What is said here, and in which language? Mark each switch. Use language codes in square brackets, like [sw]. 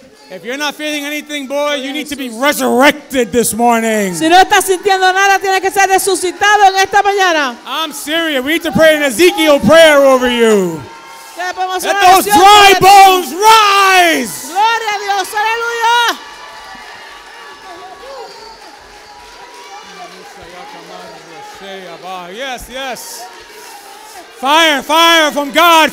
[en] If you're not feeling anything, boy, you need to be resurrected this morning. [es] Si no estás sintiendo nada, tienes que ser resucitado en esta mañana. [en] I'm serious. We need to pray an Ezekiel prayer over you. Let those dry bones rise. [es] Gloria a Dios. Aleluya. [en] Yes, yes. Fire, fire from God.